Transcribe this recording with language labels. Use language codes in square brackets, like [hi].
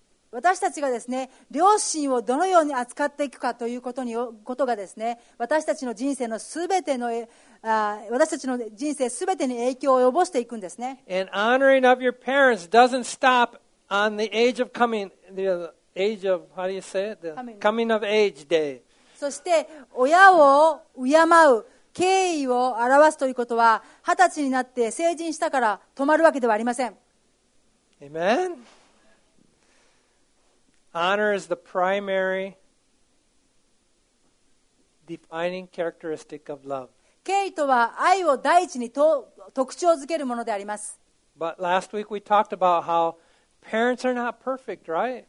[ja] 私たちがですね、両親をどのように扱っていくかということに、ことがですね、私たちの人生のすべての、私たちの人生すべてに影響を及ぼしていくんですね。 [en] And honoring of your parents doesn't stop on the age of coming, the age of coming of age day. [ja] そして親を敬う敬意を表すということは、二十歳になって成人したから止まるわけではありません。 [en] Amen? Honor is the primary defining characteristic of love. [ja] 敬意とは愛を第一に特徴づけるものであります。 [en] But last week we talked about how parents are not perfect, right?